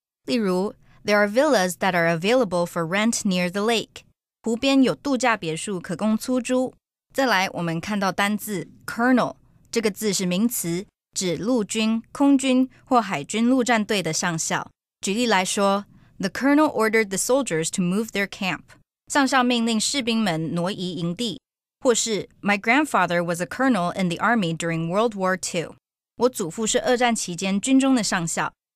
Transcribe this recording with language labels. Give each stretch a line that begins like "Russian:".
English: 例如 there are villas that are available for rent near the lake.
Chinese: 湖边有度假别墅可供租租。再来我们看到单字 colonel, 这个字是名词指陆军、空军或海军陆战队的上校。
English: 举例来说 the colonel ordered the soldiers to move their camp.
Chinese: 上校命令士兵们挪移营地。
English: 或是 my grandfather was a colonel in the army during World War II.
Chinese: 我祖父是二战期间军中的上校。